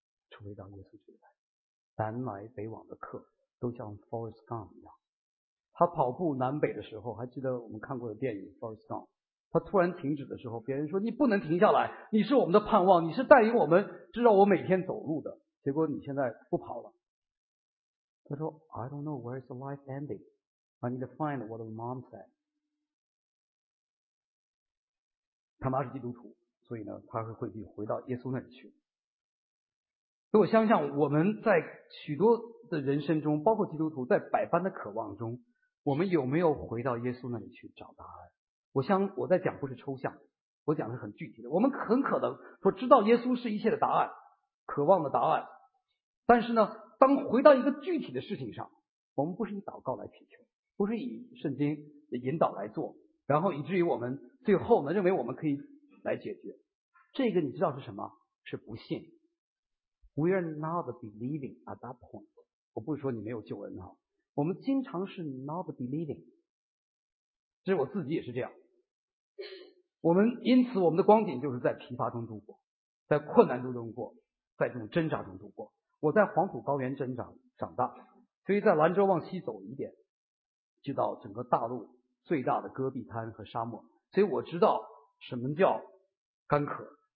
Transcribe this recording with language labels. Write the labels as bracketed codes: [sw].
[zh] 除非当耶稣基督来，南来北往的客都像 Forrest Gump 一样，他跑步南北的时候，还记得我们看过的电影 Forrest Gump， 他突然停止的时候，别人说你不能停下来，你是我们的盼望，你是带领我们，知道我每天走路的，结果你现在不跑了。他说 [en] I don't know where is the life ending， I need to find what my mom said。 [zh] 他妈是基督徒，所以呢，他会回到耶稣那里去。所以我相信我们在许多的人生中，包括基督徒在百般的渴望中，我们有没有回到耶稣那里去找答案？我想我在讲不是抽象，我讲的是很具体的。我们很可能说知道耶稣是一切的答案，渴望的答案，但是呢，当回到一个具体的事情上，我们不是以祷告来祈求，不是以圣经的引导来做，然后以至于我们最后呢认为我们可以来解决这个，你知道是什么？是不信。 [en] We are not believing at that point。 [zh] 我不是说你没有救恩哈，我们经常是 [en] not believing， [zh] 其实我自己也是这样。我们因此我们的光景就是在疲乏中度过，在困难中度过，在这种挣扎中度过。我在黄土高原挣扎长大，所以在兰州往西走一点就到整个大陆最大的戈壁滩和沙漠，所以我知道什么叫干渴。